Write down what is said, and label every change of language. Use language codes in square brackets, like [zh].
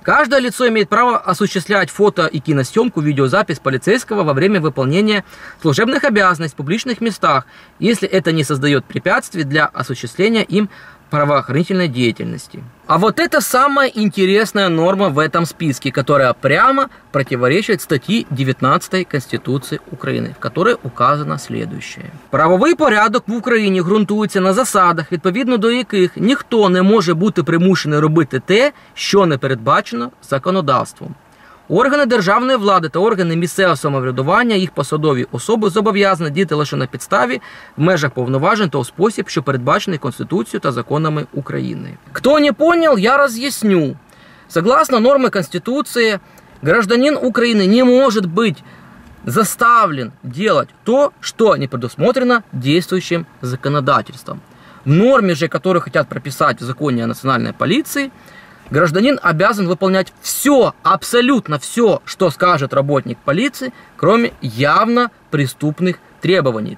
[ru] Каждое лицо имеет право осуществлять фото- и киносъемку, видеозапись полицейского во время выполнения служебных обязанностей в публичных местах, если это не создает препятствий для осуществления им правоохранительной деятельности. А вот это самая интересная норма в этом списке, которая прямо противоречит статье 19 Конституции Украины, в которой указано следующее. [uk] Правовий порядок в Україні ґрунтується на засадах, відповідно до яких ніхто не може бути примушений робити те, що не передбачено законодавством. Органи державної влади та органи місцевого самоврядування, їх посадові особи зобов'язані діяти лише на підставі, в межах повноважень та у спосіб, що передбачений Конституцією та законами України. Хто не зрозумів, я роз'ясню. [ru] Согласно [uk] норми Конституції, [ru] гражданин [uk] України не може бути [ru] заставлен делать то, что не предусмотрено действующим законодательством. В норме же, которую хотят прописать в законе о национальной полиции, гражданин обязан выполнять все, абсолютно все, что скажет работник полиции, кроме явно преступных требований.